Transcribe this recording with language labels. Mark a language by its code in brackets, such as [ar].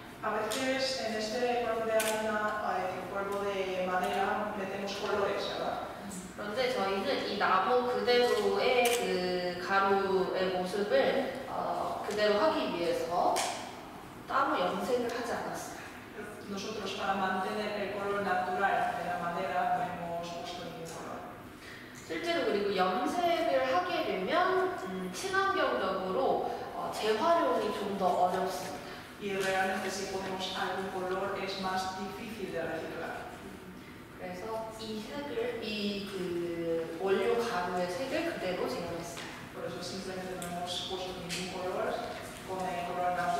[es] A veces en este polvo de harina, polvo de madera, metemos colores, ¿verdad? [ko] 그런데 저희는 이 나무 그대로의 그 가루의 모습을 그대로 하기 위해서 따로 염색을 하지 않았어요. [es] Nosotros para mantener el color natural de la madera, no hemos puesto ningún color. [ko] 실제로 그리고 염색을 하게 되면 친환경적으로 재활용이 좀 더 어렵습니다. [es] Y realmente si ponemos algún color es más difícil de reciclar. [ko] 그래서 이 색을 이 그 원료 가루의 색을 그대로 제공했어요. [es] Por eso simplemente no hemos puesto ningún color con el color natural.